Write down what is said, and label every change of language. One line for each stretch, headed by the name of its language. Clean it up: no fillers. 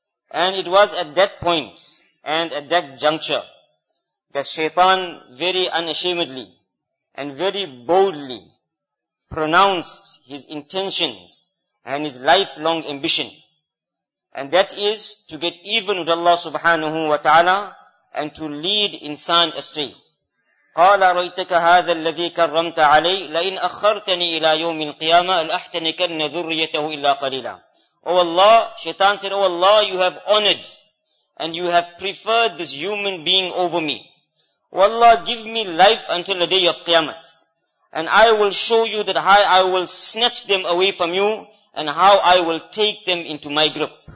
English: And it was at that point, and at that juncture, that shaitan very unashamedly and very boldly pronounced his intentions and his lifelong ambition. And that is to get even with Allah subhanahu wa ta'ala and to lead insan astray.
Arabic: قال رأيتك هذا الذي كرمت علي لئن أخرتني إلى يوم القيامة لأحتنكن ذريته إلا قليلا.
English: Oh Allah, Shaitan said, Oh Allah, you have honored and you have preferred this human being over me. Oh Allah, give me life until the day of Qiyamah, and I will show you that how I will snatch them away from you and how I will take them into my grip.